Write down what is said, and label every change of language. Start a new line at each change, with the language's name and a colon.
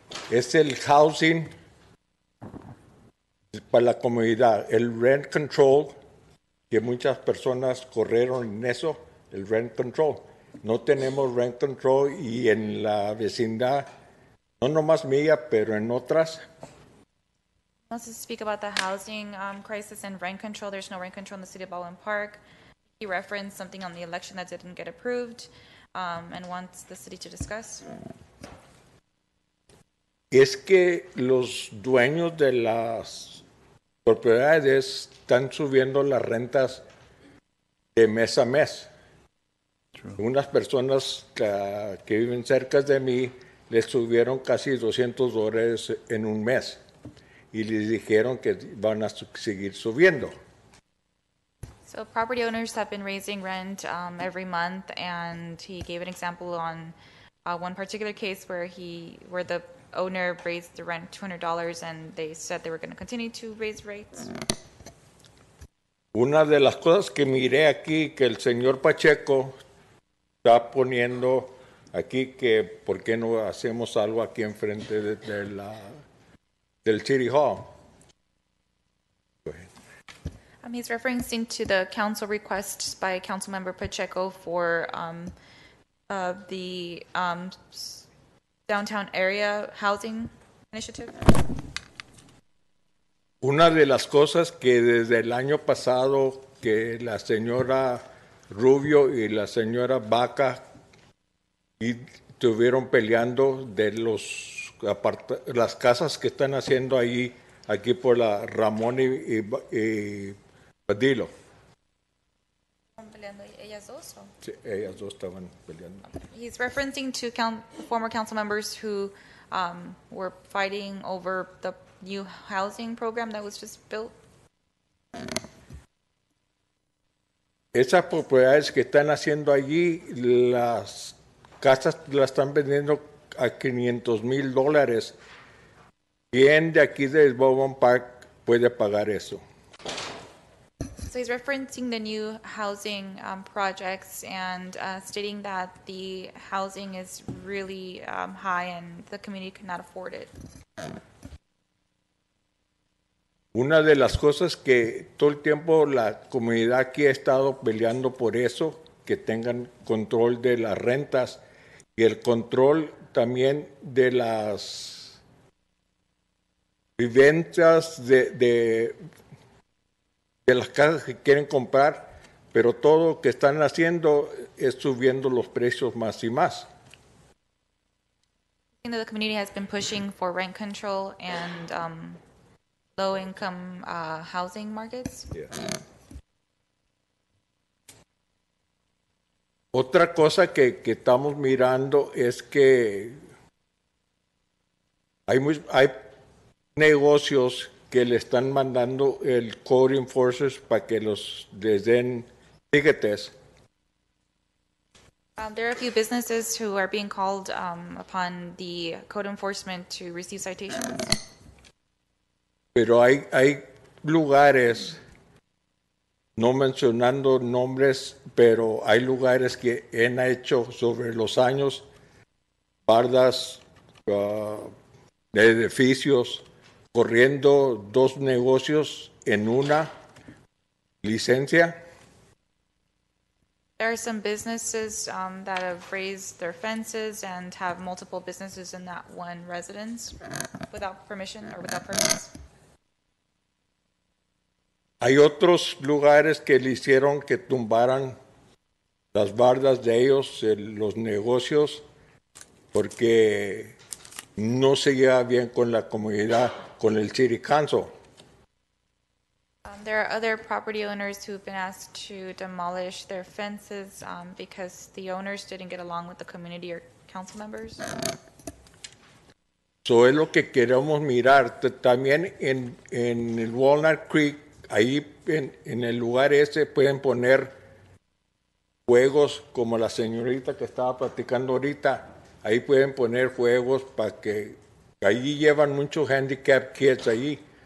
Spanish: Es el housing para la comunidad, el rent control, que muchas personas corrieron en eso, el rent control. No tenemos rent control y en la vecindad, no nomás mía, pero en otras.
English: Let's just speak about the housing crisis and rent control. There's no rent control in the city of Baldwin Park. He referenced something on the election that didn't get approved and wants the city to discuss.
Spanish: Es que los dueños de las propiedades están subiendo las rentas de mes a mes.
English: True.
Spanish: Unas personas que viven cerca de mí les subieron casi $200 en un mes. Y les dijeron que van a seguir subiendo.
English: So property owners have been raising rent every month, and he gave an example on one particular case where the owner raised the rent $200, and they said they were going to continue to raise rates.
Spanish: Una de las cosas que miré aquí que el señor Pacheco está poniendo aquí que por qué no hacemos algo aquí enfrente de la del City Hall.
English: He's referencing to the council request by Councilmember Pacheco for the downtown area housing initiative.
Spanish: Una de las cosas que desde el año pasado que la señora Rubio y la señora Baca estuvieron peleando de los las casas que están haciendo ahí, aquí por la Ramón y Padillo. ¿Están peleando ellas dos? Sí, ellas dos estaban peleando.
English: He's referencing to former council members who were fighting over the new housing program that was just built.
Spanish: Esas propiedades que están haciendo allí, las casas las están vendiendo a $500,000. ¿Quién de aquí de Baldwin Park puede pagar eso?
English: So he's referencing the new housing projects and stating that the housing is really high and the community cannot afford it.
Spanish: Una de las cosas que todo el tiempo la comunidad aquí ha estado peleando por eso, que tengan control de las rentas y el control también de las viviendas de las casas que quieren comprar, pero todo lo que están haciendo es subiendo los precios más y más.
English: The community has been pushing for rent control and low income housing markets. Yeah.
Spanish: Otra cosa que estamos mirando es que hay negocios que le están mandando el code enforcers para que les den tickets.
English: There are a few businesses who are being called upon the code enforcement to receive citations.
Spanish: Pero hay lugares, no mencionando nombres, pero hay lugares que han hecho sobre los años bardas de edificios corriendo dos negocios en una licencia.
English: There are some businesses that have raised their fences and have multiple businesses in that one residence without permission or without permits.
Spanish: Hay otros lugares que le hicieron que tumbaran las bardas de ellos, los negocios, porque no se lleva bien con la comunidad, con el City Council.
English: There are other property owners who have been asked to demolish their fences because the owners didn't get along with the community or council members.
Spanish: So es lo que queremos mirar. También en el Walnut Creek, ahí en el lugar ese pueden poner juegos como la señorita que estaba platicando ahorita. Ahí pueden poner juegos para que allí llevan muchos handicap kids allí.